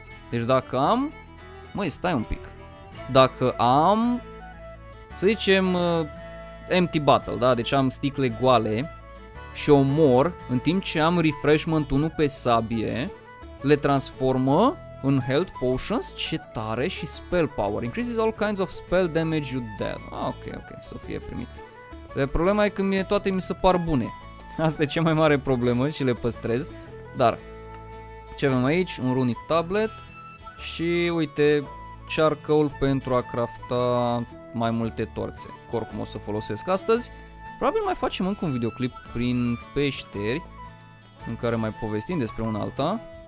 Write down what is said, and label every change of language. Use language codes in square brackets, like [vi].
[ro] Deci dacă am, măi, stai un pic. Dacă am, să zicem, empty bottle, da? Deci am sticle goale și omor, în timp ce am refreshment 1 pe sabie, le transformă în health potions, ce tare, și spell power. [en] Increases all kinds of spell damage you deal. [ro] Ok, ok, să fie primit. De problema e că mie toate mi se par bune. Asta e cea mai mare problemă și le păstrez. Dar, ce avem aici? Un runic tablet. Și uite, charcoal pentru a crafta mai multe torțe. Oricum o să folosesc astăzi. Probabil mai facem încă un videoclip prin peșteri, în care mai povestim despre una alta.